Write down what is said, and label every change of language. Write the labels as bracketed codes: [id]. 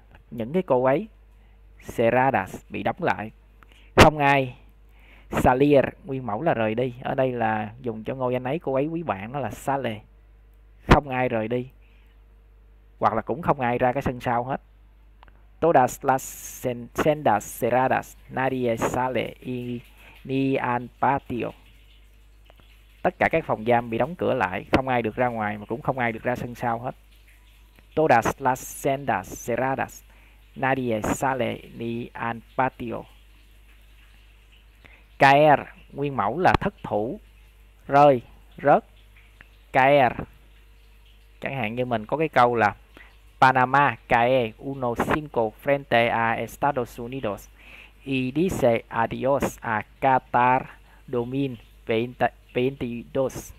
[vi] Những cái cô ấy cerradas, bị đóng lại. Không ai. Salir, nguyên mẫu là rời đi. Ở đây là dùng cho ngôi anh ấy, cô ấy, quý bạn, nó là sale. Không ai rời đi. Hoặc là cũng không ai ra cái sân sau hết. [es] Todas las sendas cerradas, nadie sale y ni al patio. [vi] Tất cả các phòng giam bị đóng cửa lại, không ai được ra ngoài mà cũng không ai được ra sân sau hết. [es] Todas las sendas cerradas, nadie sale ni al patio. [vi] Caer, nguyên mẫu là thất thủ, rơi, rớt. Caer. Chẳng hạn như mình có cái câu là [es] Panama cae uno cinco frente a Estados Unidos y dice adiós a Qatar 2022.